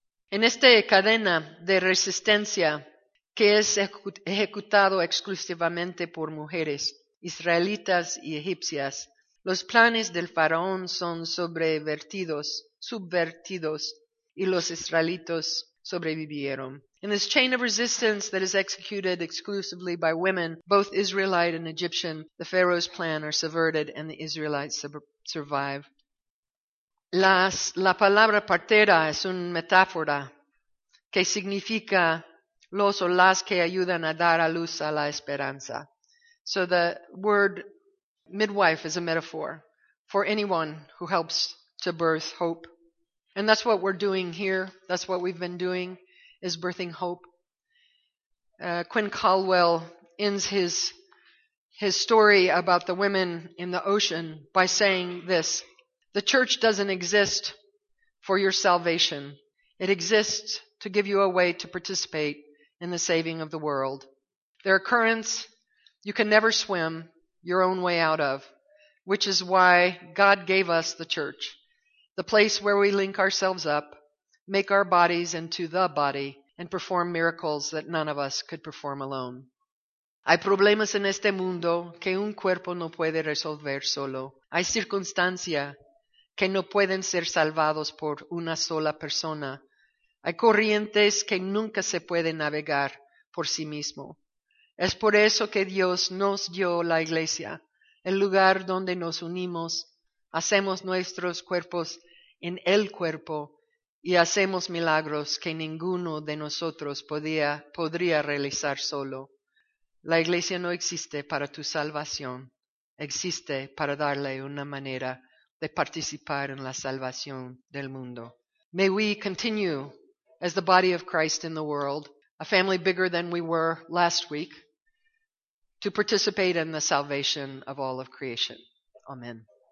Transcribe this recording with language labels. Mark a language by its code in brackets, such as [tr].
[es] En esta cadena de resistencia, que es ejecutado exclusivamente por mujeres, israelitas y egipcias, los planes del faraón son subvertidos, y los israelitos sobrevivieron. [en] In this chain of resistance that is executed exclusively by women, both Israelite and Egyptian, the pharaoh's plan are subverted and the Israelites survive. [es] La palabra partera es una metáfora que significa los o las que ayudan a dar a luz a la esperanza. [en] So the word midwife is a metaphor for anyone who helps to birth hope. And that's what we're doing here. That's what we've been doing, is birthing hope. Quinn Caldwell ends his story about the women in the ocean by saying this: the church doesn't exist for your salvation. It exists to give you a way to participate in the saving of the world. There are currents you can never swim your own way out of, which is why God gave us the church, the place where we link ourselves up, make our bodies into the body, and perform miracles that none of us could perform alone. [es] Hay problemas en este mundo que un cuerpo no puede resolver solo. Hay circunstancias que no pueden ser salvados por una sola persona. Hay corrientes que nunca se pueden navegar por sí mismo. Es por eso que Dios nos dio la iglesia, el lugar donde nos unimos, hacemos nuestros cuerpos en el cuerpo y hacemos milagros que ninguno de nosotros podría realizar solo. La iglesia no existe para tu salvación, existe para darle una manera de participar en la salvación del mundo. [en] May we continue as the body of Christ in the world, a family bigger than we were last week, to participate in the salvation of all of creation. Amen.